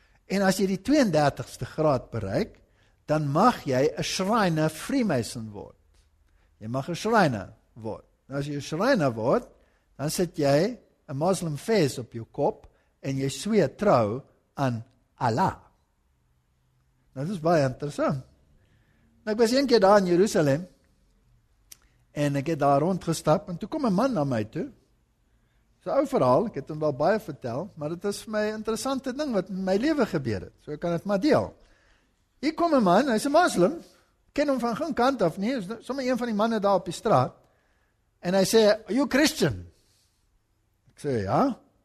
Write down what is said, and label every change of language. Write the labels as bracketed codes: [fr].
[af] En as jy die 32ste graad bereik, dan mag jy 'n schreiner Freemason word. Jy mag 'n schreiner word. En as jy 'n schreiner word, dan sit jy 'n Muslim fez op jou kop en jy sweer trou aan Allah. Dit is baie interessant. Ek was een keer daar in Jerusalem en ek het daar rondgestap en toe kom een man na my toe. Dis 'n ou verhaal, ek het hom wel baie vertel, maar dit is vir my 'n interessante ding wat in my lewe gebeur het. So ek kan dit maar deel. Hier kom een man, hy's 'n moslim, ken hom van geen kant af nie, sommer een van die manne daar op die straat, en hy sê, [en] are you Christian? [af] Ek sê, ja.